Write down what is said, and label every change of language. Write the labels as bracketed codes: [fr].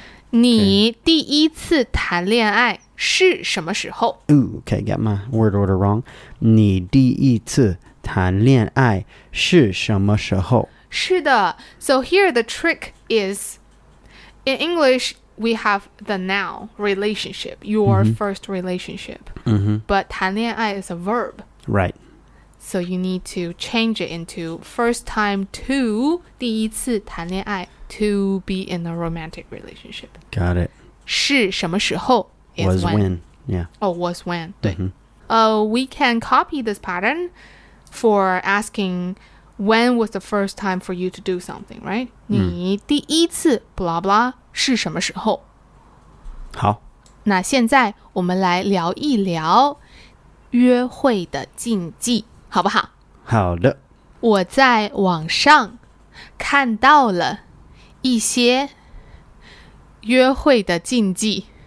[zh] 你第一次谈恋爱是什么时候? [en] Ooh, okay, got my word order wrong. [zh] 你第一次谈恋爱是什么时候? 是的。 [en] So here the trick is, in English, we have the now relationship, your mm-hmm. first relationship. Mm-hmm. But 谈恋爱 is a verb. Right. So you need to change it into first time to [zh] 第一次谈恋爱 [en] to be in a romantic relationship. Got it. [zh] 是什么时候 [en] Was when. Yeah. Oh, was when. 对、mm-hmm. We can copy this pattern for asking when was the first time for you to do something, right?、Mm. [zh] 你第一次 blah blah 是什么时候好那现在我们来聊一聊约会的禁忌好不好好的我在网上看到了一些约会的禁忌